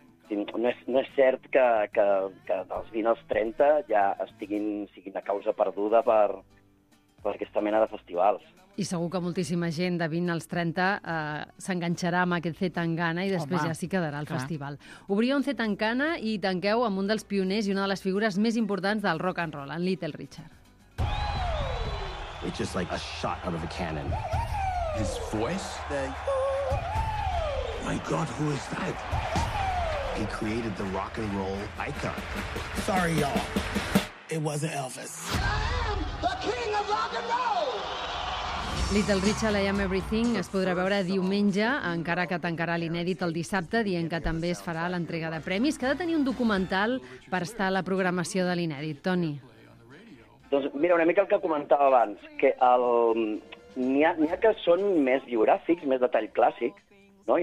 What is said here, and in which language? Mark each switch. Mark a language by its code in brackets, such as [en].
[ca] No és cert que dels 20 als 30 ja siguin a causa perduda per aquesta mena de festivals. I segur que moltíssima gent de 20 als 30 s'enganxarà amb aquest Zé Tangana i després Home, ja s'hi quedarà al festival. Obriu un Zé Tangana i tanqueu amb un dels pioners i una de les figures més importants del rock and roll, en Little Richard. [en] It's just like a shot out of a cannon. His voice? My God, who is that? He created the rock and roll icon. Sorry, y'all. It wasn't Elvis. I am the king of rock and roll! [ca] Little Richard, I Am Everything, es podrà veure diumenge, encara que tancarà l'inèdit el dissabte, dient que també es farà l'entrega de premis, que ha de tenir un documental per estar a la programació de l'inèdit. Toni. Doncs mira, una mica el que comentava abans, que n'hi ha que són més biogràfics, més de tall clàssic, no?